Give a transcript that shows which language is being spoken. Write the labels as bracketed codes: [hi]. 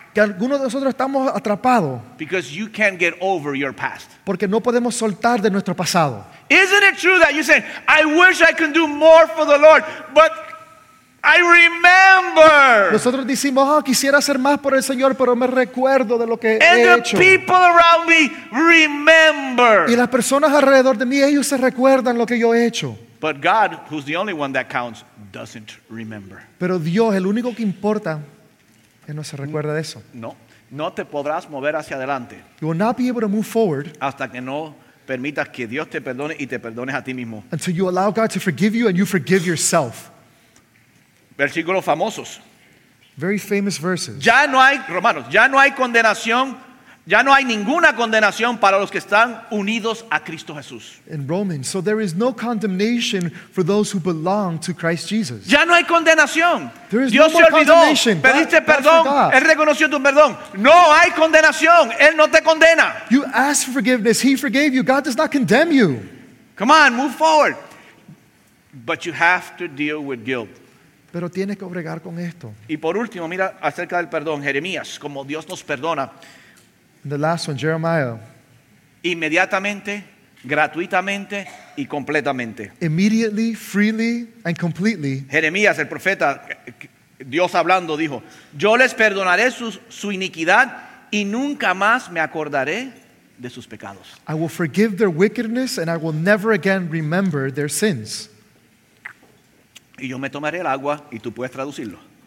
[es] Que algunos de nosotros estamos atrapados. [en] Because you can't get over your past. [es] Porque no podemos soltar de nuestro pasado. [en] Isn't it true that you say, I wish I could do more for the Lord, but I remember. [es] Nosotros decimos, oh, quisiera hacer más por el Señor, pero me recuerdo de lo que he hecho. [en] And the people around me remember. [es] Y las personas alrededor de mí, ellos se recuerdan lo que yo he hecho. [en] But God, who's the only one that counts, doesn't remember. [es] Pero Dios, el único que importa, él no se recuerda de eso. No, no te podrás mover hacia adelante. [en] You will not be able to move forward [es] hasta que no permitas que Dios te perdone y te perdones a ti mismo. [en] Until you allow God to forgive you and you forgive yourself. [es] Versículos famosos. [en] Very famous verses. [es] Ya no hay, Romanos, ya no hay condenación, ya no hay ninguna condenación para los que están unidos a Cristo Jesús. [en] In Romans, so there is no condemnation for those who belong to Christ Jesus. [es] Ya no hay condenación. [en] There is [es] Dios [en] no more condemnation. [es] Pediste perdón, Él reconoció tu perdón. No hay condenación, Él no te condena. [en] You asked for forgiveness, He forgave you. God does not condemn you. Come on, move forward. But you have to deal with guilt. [es] Pero tienes que bregar con esto. Y por último, mira acerca del perdón, Jeremías, como Dios nos perdona. [en] And the last one, Jeremiah. [es] Inmediatamente, gratuitamente y completamente. [en] Immediately, freely, and completely. [es] Jeremías, el profeta, Dios hablando, dijo, yo les perdonaré su iniquidad y nunca más me acordaré de sus pecados. [en] I will forgive their wickedness and I will never again remember their sins. [es] Y yo me tomaré el agua y tú puedes traducirlo.